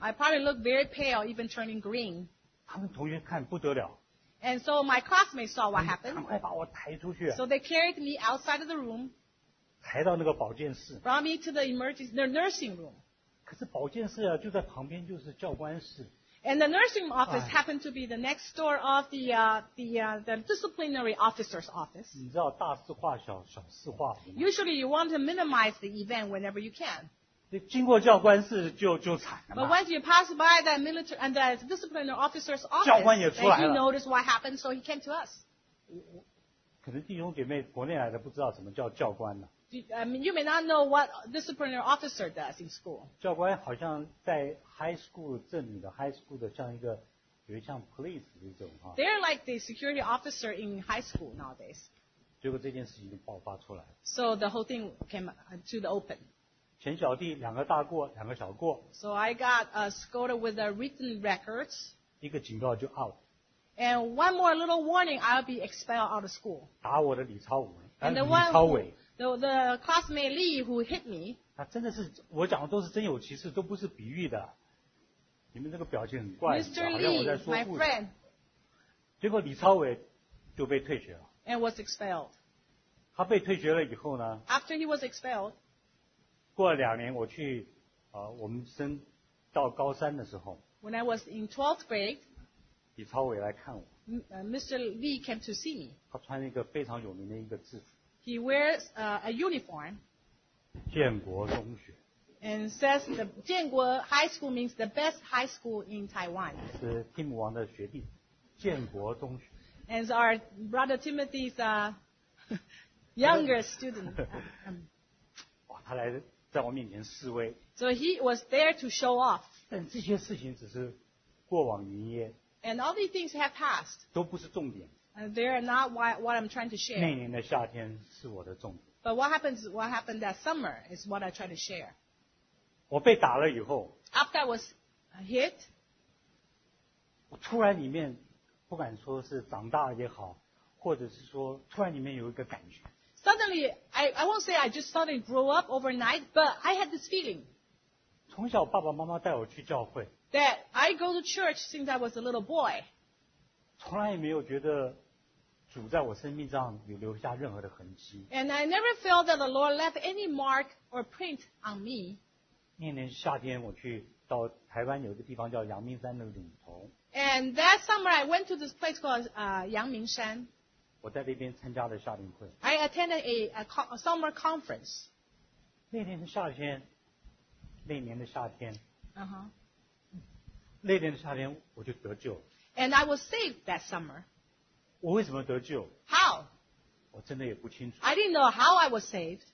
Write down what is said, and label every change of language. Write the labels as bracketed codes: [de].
[en] I probably looked very pale, even turning green. [zh] 他们同学看不得了。 [en] And so my classmates saw what happened. [zh] 赶快把我抬出去。 [en] So they carried me outside of the room. [zh] 抬到那个保健室。 [en] Brought me to the emergency, the nursing room. [zh] 可是保健室啊，就在旁边，就是教官室。 [en] And the nursing office happened to be the next door of the disciplinary officer's office. [zh] 你知道大事化小，小事化无。 [en] Usually you want to minimize the event whenever you can. [zh] 经过教官室就惨了嘛。 [en] But once you pass by that military and that disciplinary officer's office, [zh] 教官也出来了。 [en] He noticed what happened, so he came to us. [zh] 可能弟兄姐妹国内来的不知道什么叫教官呢。 [en] I mean, you may not know what disciplinary officer does in school. [zh] 教官好像在 high school 镇里的 high school 的像一个，有点像 police 这种哈。 [en] They're like the security officer in high school nowadays. [zh] 结果这件事情就爆发出来。 [en] So the whole thing came to the open. [zh] 前小弟两个大过，两个小过。 [en] So I got scolded with a written records. [zh] 一个警告就 out. [en] And one more little warning, I'll be expelled out of school. [zh] 打我的李超伟，李超伟。 [en] The classmate Lee who hit me. [zh] 他真的是我讲的都是真有其事，都不是比喻的。你们这个表情很怪， [en] Mr. Lee, [zh] 好像我在说故事。 [en] My friend. [zh] 结果李超伟就被退学了。 [en] And was expelled. [zh] 他被退学了以后呢 [en] ？After he was expelled. [zh] 过了两年，我去我们升到高三的时候。 [en] When I was in 12th grade. [zh] 李超伟来看我。 [en] Mr. Lee came to see me. [zh] 他穿了一个非常有名的一个制服。 [en] He wears a uniform. [zh] 建国中学。 [en] And says the 建国 High School means the best high school in Taiwan. [zh] 是 Tim 王的学弟，建国中学。 [en] And our brother Timothy's younger student. [zh] 哇，他来在我面前示威。 [en] So he was there to show off. [zh] 但这些事情只是过往云烟。 [en] And all these things have passed. [zh] 都不是重点。 [en] And they are not what I'm trying to share. [zh] 那年的夏天是我的重点。 [en] But what happened that summer is what I try to share. [zh] 我被打了以后。 [en] After I was hit. [zh] 我突然里面不敢说是长大也好，或者是说突然里面有一个感觉。 [en] Suddenly, I won't say I just suddenly grew up overnight, but I had this feeling. [zh] 从小爸爸妈妈带我去教会。 [en] That I go to church since I was a little boy. [zh] 从来也没有觉得主在我生命上有留下任何的痕迹。 [en] And I never felt that the Lord left any mark or print on me. [zh] 那年夏天我去到台湾有一个地方叫阳明山的岭头。 [en] And that summer I went to this place called 阳明山。 [zh] 我在那边参加了夏令会。 [en] I attended a summer conference. [zh] 那年的夏天，那年的夏天。 Uh-huh. 那年的夏天我就得救了。 [en] And I was saved that summer. [zh] 我为什么得救？ [en] How? [zh] 我真的也不清楚。 [en] I didn't know how I was saved.